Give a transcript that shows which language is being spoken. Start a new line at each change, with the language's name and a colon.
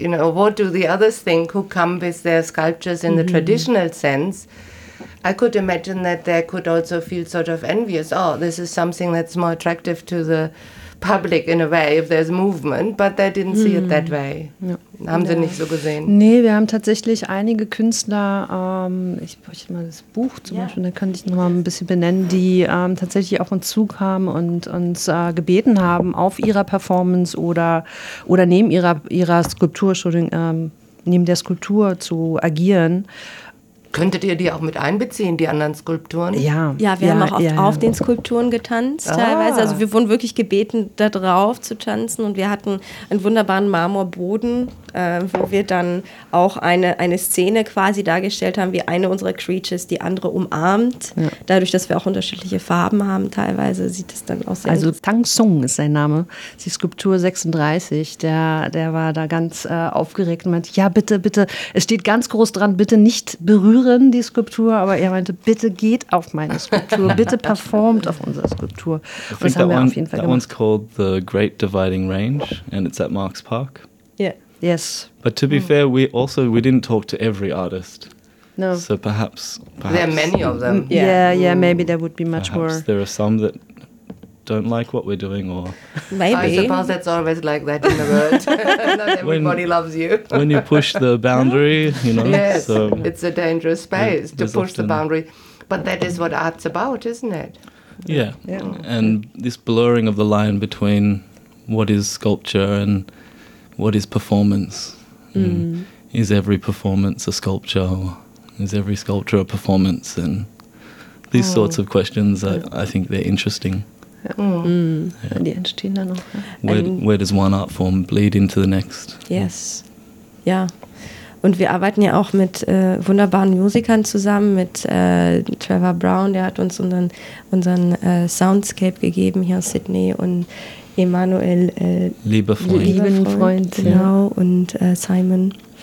English: You know, what do the others think who come with their sculptures in the traditional sense? I could imagine that they could also feel sort of envious. Oh, this is something that's more attractive to the public in a way, if there's movement, but they didn't see it that way.
German: Ja. Haben sie nicht so gesehen? Nee, wir haben tatsächlich einige Künstler, ich bräuchte mal das Buch zum Beispiel, da könnte ich nochmal ein bisschen benennen, die tatsächlich auf uns zukamen und uns gebeten haben, auf ihrer Performance oder neben ihrer Skulptur, neben der Skulptur zu agieren. Könntet ihr die auch mit einbeziehen, die anderen Skulpturen? Ja. Ja, wir haben auch auf den Skulpturen getanzt teilweise. Also wir wurden wirklich gebeten, da drauf zu tanzen. Und wir hatten einen wunderbaren Marmorboden, wo wir dann auch eine Szene quasi dargestellt haben, wie eine unserer Creatures die andere umarmt. Ja. Dadurch, dass wir auch unterschiedliche Farben haben teilweise, sieht es dann auch sehr... Also Tang Sung ist sein Name. Die Skulptur 36, der war da ganz aufgeregt und meinte, ja bitte, bitte, es steht ganz groß dran, bitte nicht berühren die Skulptur, aber er meinte, bitte geht auf meine Skulptur, bitte performt auf unsere Skulptur. Und das haben wir auf jeden Fall gemacht.
English: That one's called The Great Dividing Range and it's at Marks Park. Yeah. Yes. But to be fair, we didn't talk to every artist. No. So perhaps there are many of them. Yeah, maybe there would be much perhaps more. There are some that don't like what we're doing, or maybe. I suppose it's always like that in the world. Not everybody loves you. When you push the boundary, you know. Yes, so it's a dangerous space to push the boundary. But that is what art's about, isn't it? Yeah. And this blurring of the line between what is sculpture and what is performance. Is every performance a sculpture? Is every sculpture a performance? And these sorts of questions, I think they're interesting. Where does one art form bleed into the next? Yes. Ja.
German: Und wir arbeiten ja auch mit wunderbaren Musikern zusammen, mit Trevor Brown, der hat uns unseren Soundscape gegeben hier aus Sydney, und Emanuel, lieben Freund. Genau, und Simon.